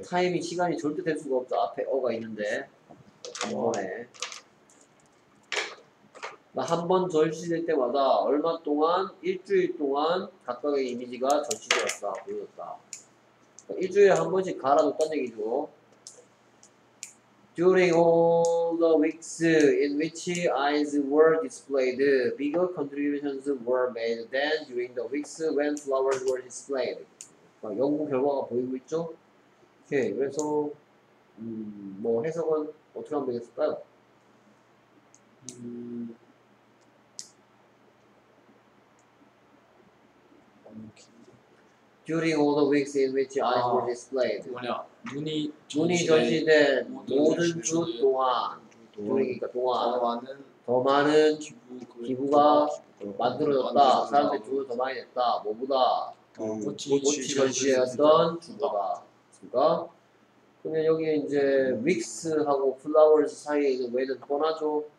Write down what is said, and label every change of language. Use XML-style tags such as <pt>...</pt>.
<ko>타임이 시간이 절대 될 수가 없다. 앞에 어가 있는데 한 번에 나 한 번 전시될 때마다 얼마 동안 일주일 동안 각각의 이미지가 전시되었다 보여졌다. 그러니까 일주일에 한 번씩 갈아줬다는 얘기죠.</ko> <en>During all the weeks in which eyes were displayed, bigger contributions were made than during the weeks when flowers were displayed.</en> <ko>그러니까 연구 결과가 보이고 있죠. 오케이. 그래서 뭐 해석은 어떻게 하면 되겠을까요? 너무 긴데.</ko> <en>During all the weeks in which eyes were displayed.</en> <ko>뭐냐? 눈이 눈이 전시된 모든 주 동안 during이니까 동안 더 많은 기부가 만들어졌다. 사람들 주문 더 많이 됐다. 뭐보다 꽃이 전시되었던 주가 그니까 그러면 여기에 이제 weeks하고 flowers 사이에 있는 왜는 뻔하죠?</ko>